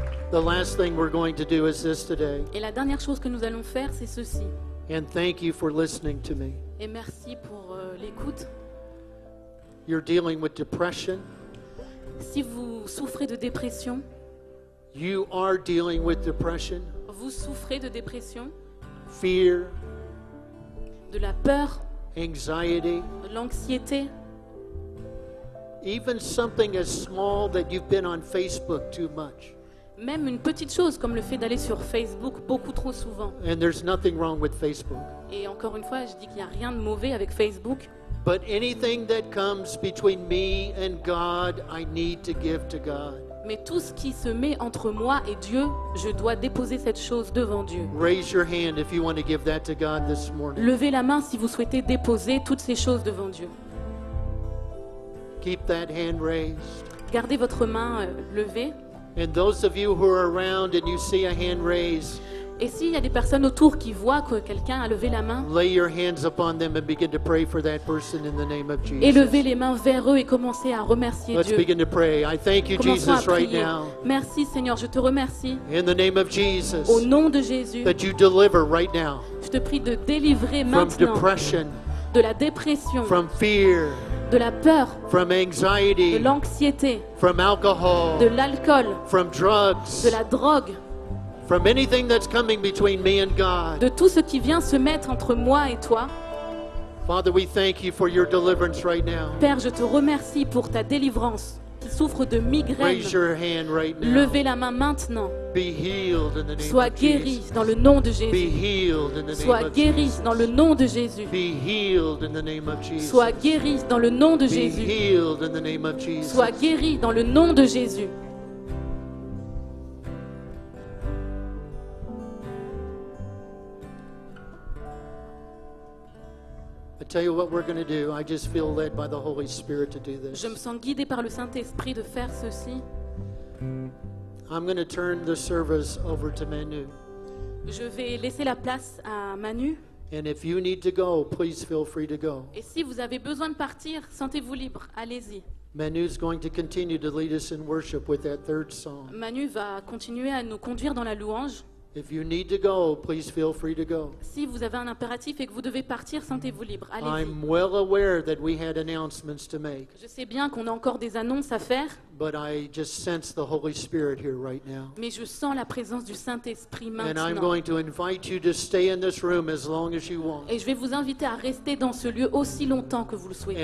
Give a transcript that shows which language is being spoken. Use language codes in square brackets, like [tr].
[en] The last thing we're going to do is this today. [fr] Et la dernière chose que nous allons faire, c'est ceci. [en] And thank you for listening to me. [fr] Et merci pour l'écoute. [en] You're dealing with depression. [fr] Si vous souffrez de dépression. [en] You are dealing with depression. [fr] Vous souffrez de dépression. [en] Fear. [fr] De la peur. [en] Anxiety. [fr] L'anxiété. [en] Even something as small that you've been on Facebook too much. [fr] Même une petite chose comme le fait d'aller sur Facebook beaucoup trop souvent. [en] And there's nothing wrong with Facebook. [fr] Et encore une fois, je dis qu'il n'y a rien de mauvais avec Facebook. [en] But anything that comes between me and God, I need to give to God. [fr] Mais tout ce qui se met entre moi et Dieu, je dois déposer cette chose devant Dieu. [en] Raise your hand if you want to give that to God this morning. [fr] Levez la main si vous souhaitez déposer toutes ces choses devant Dieu. [en] Keep that hand raised. [fr] Gardez votre main levée. [en] And those of you who are around and you see a hand raise, [fr] et s'il y a des personnes autour qui voient que quelqu'un a levé la main, [en] lay your hands upon them and begin to pray for that person in the name of Jesus. [fr] Et levez les mains vers eux et commencez à remercier Dieu. [en] Let's begin to pray. I thank you, Jesus, right now. [fr] Merci, Seigneur, je te remercie. [en] In the name of Jesus. [fr] Au nom de Jésus. [en] That you deliver right now. [fr] Je te prie de délivrer maintenant. [en] From depression. [fr] De la dépression. [en] From fear. [fr] De la peur, [en] from anxiety, [fr] de l'anxiété, [en] from alcohol, [fr] de l'alcool, [en] from drugs, [fr] de la drogue, [en] from anything that's coming between me and God, [fr] de tout ce qui vient se mettre entre moi et toi. [en] Father, we thank you for your deliverance right now. [fr] Père, je te remercie pour ta délivrance qui souffre de migraines. [en] Raise your hand right now. [fr] Levez la main maintenant. [en] Be healed in the name [fr] Sois [en] of [fr] guéri [en] Jesus. [fr] Dans le nom de Jésus. [en] Be healed in the name [fr] Sois [en] of [fr] guéri [en] Jesus. [fr] Dans le nom de Jésus. [en] Be healed in the name of Jesus. [fr] Sois guéri dans le nom de [en] Be [fr] Jésus. [en] Be healed in the name of Jesus. [fr] Sois guéri dans le nom de Jésus. [en] Tell you what we're going to do. I just feel led by the Holy Spirit to do this. [fr] Je me sens guidé par le Saint-Esprit de faire ceci. [en] I'm going to turn the service over to Manu. [fr] Je vais laisser la place à Manu. [en] And if you need to go, please feel free to go. [fr] Et si vous avez besoin de partir, sentez-vous libre. Allez-y. [en] Manu is going to continue to lead us in worship with that third song. [fr] Manu va continuer à nous conduire dans la louange. [en] If you need to go, please feel free to go. [fr] Si vous avez un impératif et que vous devez partir, sentez-vous libre. Allez-y. [en] I'm well aware that we had announcements to make. [fr] Je sais bien qu'on a encore des annonces à faire. [en] But I just sense the Holy Spirit here right now. [fr] Mais je sens la présence du Saint-Esprit maintenant. [en] And I'm going to invite you to stay in this room as long as you want. [fr] Et je vais vous inviter à rester dans ce lieu aussi longtemps que vous le souhaitez.